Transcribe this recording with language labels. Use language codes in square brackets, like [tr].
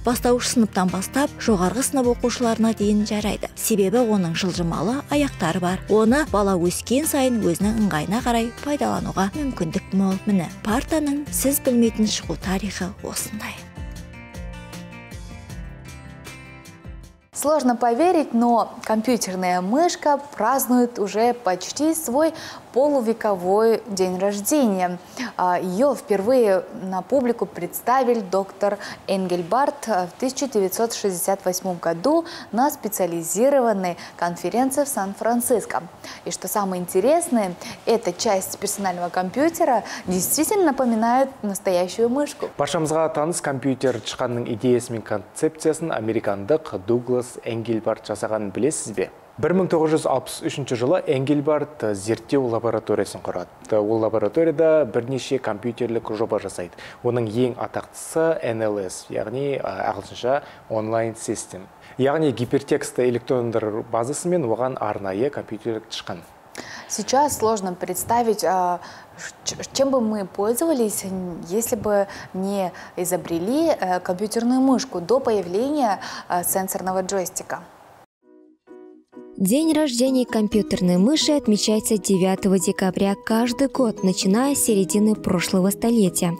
[kk] Бастауыш сыныптан бастап, жоғарғы сынып оқушыларына дейін жарайды. Себебі оның жылжымалы аяқтары бар. Оны бала өскен сайын өзінің ыңғайына қарай пайдалануға мүмкіндік мол. Міне, партаның сіз білмейтін шығу тарихы осындай. [ru] Сложно поверить, но компьютерная мышка празднует уже почти свой полувековой день рождения. Ее впервые на публику представил доктор Энгельбарт в 1968 году на специализированной конференции в Сан-Франциско. И что самое интересное, эта часть персонального компьютера действительно напоминает настоящую мышку. [kk] Башамызға таныс компьютер шыққанның идеясы мен концепциясын американдық Дуглас Энгельбарт жасағанын білесіз бе? 1963 жылы Энгельбарт зерттеу лабораториясын құрады. Ол лабораторияда бірнеше компьютерлік жоба жасайды. Оның ең атақтысы NLS, яғни ағылшынша онлайн-систем. Яғни гипертексті электрондар базасымен оған арнайы компьютер шыққан. [ru] Сейчас сложно представить, чем бы мы пользовались, если бы не изобрели компьютерную мышку до появления сенсорного джойстика. День рождения компьютерной мыши отмечается 9 декабря каждый год, начиная с середины прошлого столетия.